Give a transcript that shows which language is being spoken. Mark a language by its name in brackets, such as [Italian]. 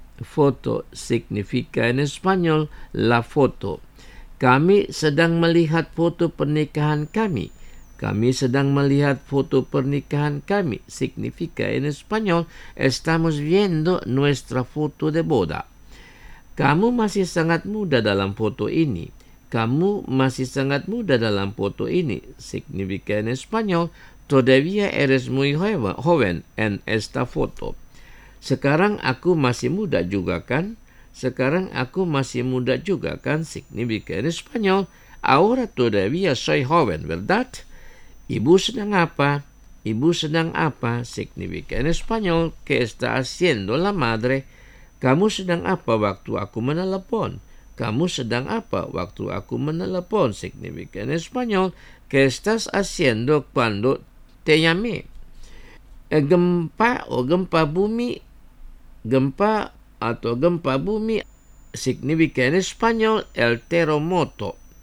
[Spanish] Foto significa en español la foto. [Indonesian] Kami sedang melihat foto pernikahan kami. Kami sedang melihat foto pernikahan kami. [Spanish] Significa en español, estamos viendo nuestra foto de boda. [Indonesian] Kamu masih sangat muda dalam foto ini. Kamu masih sangat muda dalam foto ini. [Spanish] Significa en español, todavía eres muy joven en esta foto. [Indonesian] Sekarang aku masih muda juga kan? Sekarang aku masih muda juga kan? [Spanish] Significa en español, ahora todavía soy joven, ¿verdad? [Indonesian] Ibu sedang apa? Ibu sedang apa? [Spanish] Significa en español ¿qué está haciendo la madre? [Indonesian] Kamu sedang apa waktu aku menelepon? Kamu sedang apa waktu aku menelepon? [Spanish] Significa en español ¿qué estás haciendo cuando te llamé? Gempa bumi significa en español el terremoto.